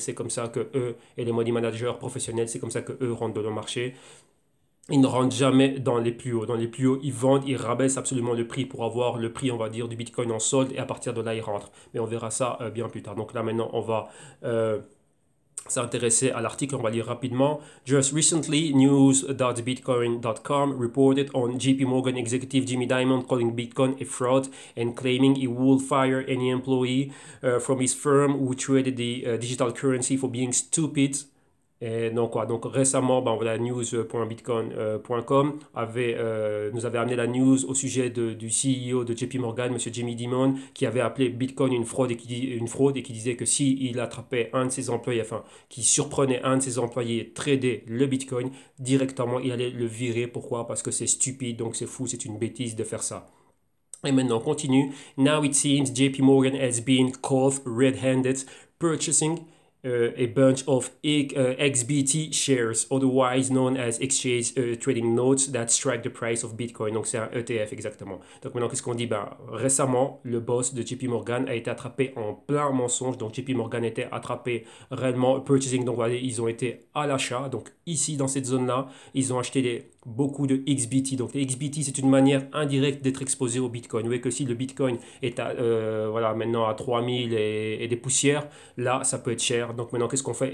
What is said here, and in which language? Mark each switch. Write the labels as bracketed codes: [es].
[fr] C'est comme ça que eux et les money managers professionnels, c'est comme ça que eux rentrent dans le marché. Ils ne rentrent jamais dans les plus hauts. Dans les plus hauts, ils vendent, ils rabaissent absolument le prix pour avoir le prix, on va dire, du Bitcoin en solde, et à partir de là, ils rentrent. Mais on verra ça bien plus tard. Donc là, maintenant, on va s'intéresser à l'article, on va lire rapidement. [en] Just recently, news.bitcoin.com reported on JP Morgan executive Jimmy Diamond calling Bitcoin a fraud and claiming he would fire any employee from his firm who traded the digital currency for being stupid. [fr] Et donc quoi, donc récemment, ben, la news.bitcoin.com nous avait amené la news au sujet du CEO de JP Morgan, Monsieur Jimmy Dimon, qui avait appelé Bitcoin une fraude et qui disait que s'il attrapait un de ses employés, enfin qui surprenait un de ses employés trader le Bitcoin, directement il allait le virer. Pourquoi? Parce que c'est stupide, donc c'est fou, c'est une bêtise de faire ça. Et maintenant on continue. [en] Now it seems JP Morgan has been caught red-handed purchasing a bunch of XBT shares, otherwise known as exchange trading notes, that strike the price of Bitcoin. [fr] Donc c'est un ETF exactement. Donc maintenant qu'est-ce qu'on dit? Ben, récemment, le boss de JP Morgan a été attrapé en plein mensonge. Donc JP Morgan était attrapé réellement purchasing. Donc voilà, ils ont été à l'achat. Donc ici dans cette zone-là, ils ont acheté beaucoup de XBT. Donc les XBT, c'est une manière indirecte d'être exposé au Bitcoin. Vous voyez que si le Bitcoin est à, voilà, maintenant à 3000 et des poussières, là ça peut être cher. Donc maintenant qu'est-ce qu'on fait?